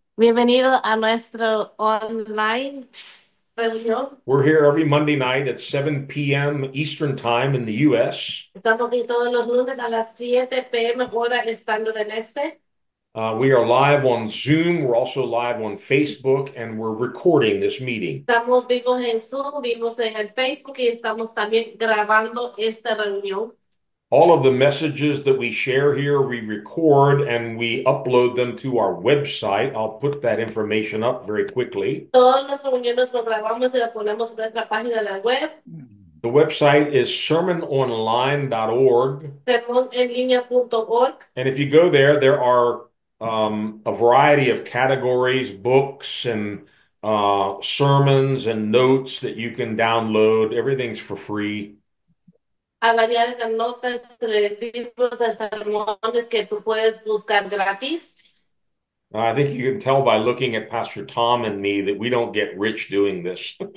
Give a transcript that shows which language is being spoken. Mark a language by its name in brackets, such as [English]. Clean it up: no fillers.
[Spanish] Bienvenido a nuestro online reunión. [English] We're here every Monday night at 7 p.m. Eastern Time in the U.S. [Spanish] Estamos aquí todos los lunes a las 7 p.m. hora estando en este. [English] We are live on Zoom. We're also live on Facebook, and we're recording this meeting. [Spanish] Estamos vivos en Zoom, vivos en el Facebook y estamos también grabando esta reunión. [English] All of the messages that we share here, we record and we upload them to our website. I'll put that information up very quickly. [Spanish] Todas nuestras reuniones lo grabamos y lo ponemos en nuestra página de la web. [English] The website is sermononline.org. [Spanish] Sermonenlinea.org. [English] And if you go there are a variety of categories, books and sermons and notes that you can download. Everything's for free. [Spanish] Hay variedades de notas, de libros, de sermones que tú puedes buscar gratis. [English] I think you can tell by looking at Pastor Tom and me that we don't get rich doing this.